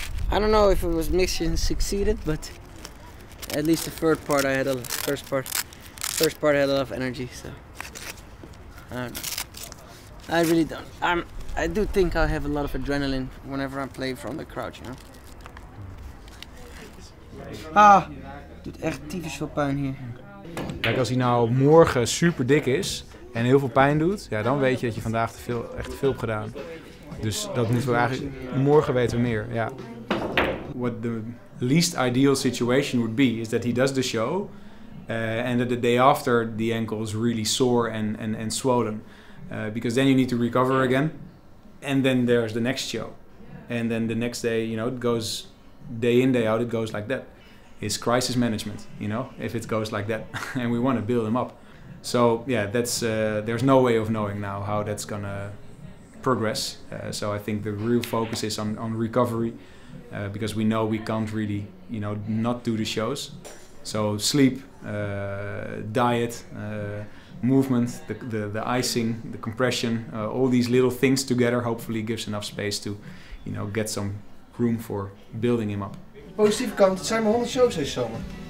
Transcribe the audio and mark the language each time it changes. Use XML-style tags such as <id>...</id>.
<en>I don't know if it was mission succeeded, but at least the third part I had a first part I had a lot of energy, so I don't know. I really don't. I do think I have a lot of adrenaline whenever I play from the crowd, you know.</en> <nl>Ah, doet echt tyfus veel pijn hier. Kijk, als hij nou morgen super dik is en heel veel pijn doet, ja, dan weet je dat je vandaag echt te veel hebt gedaan. Dus dat moeten we eigenlijk morgen weten we meer, ja.</nl> <en>What the least ideal situation would be is that he does the show and that the day after the ankle is really sore and swollen because then you need to recover again and then there's the next show and then the next day, you know, it goes day in, day out, it goes like that. It's crisis management, you know, if it goes like that and we want to build him up. So yeah, that's there's no way of knowing now how that's gonna progress. So I think the real focus is on recovery. Because we know we can't really, you know, not do the shows. So sleep, diet, movement, the icing, the compression, all these little things together hopefully gives enough space to, you know, get some room for building him up.</en> <nl>Positieve kant, het zijn maar 100 shows deze zomer.</nl>